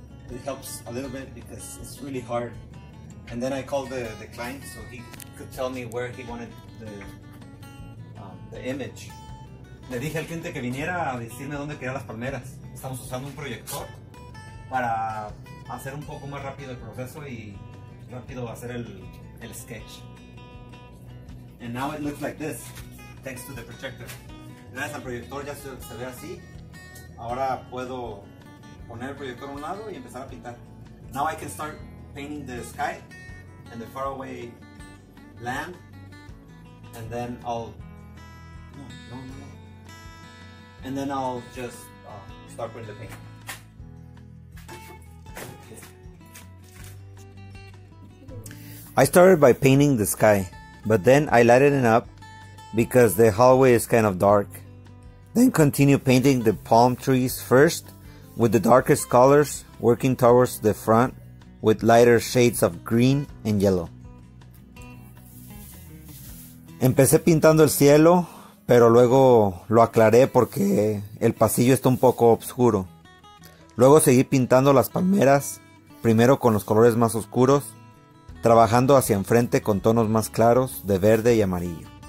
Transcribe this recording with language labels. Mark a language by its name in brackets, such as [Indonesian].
[English] It helps a little bit because it's really hard. And then I called the client so he could tell me where he wanted the image. [Spanish] Le dije al cliente que viniera a decirme dónde quería las palmeras. Estamos usando un proyector para hacer un poco más rápido el proceso y rápido hacer el sketch. [English] And now it looks like this, thanks to the projector. [Spanish] Gracias al proyector ya se ve así. Ahora puedo poner el proyector a un lado y empezar a pintar. [English] Now I can start painting the sky and the faraway land. And then I'll... No. And then I'll just start putting the paint. I started by painting the sky, but then I lighted it up because the hallway is kind of dark. Then continue painting the palm trees first with the darkest colors, working towards the front with lighter shades of green and yellow. [Spanish] Empecé pintando el cielo, pero luego lo aclaré porque el pasillo está un poco oscuro. Luego seguí pintando las palmeras, primero con los colores más oscuros, trabajando hacia enfrente con tonos más claros de verde y amarillo.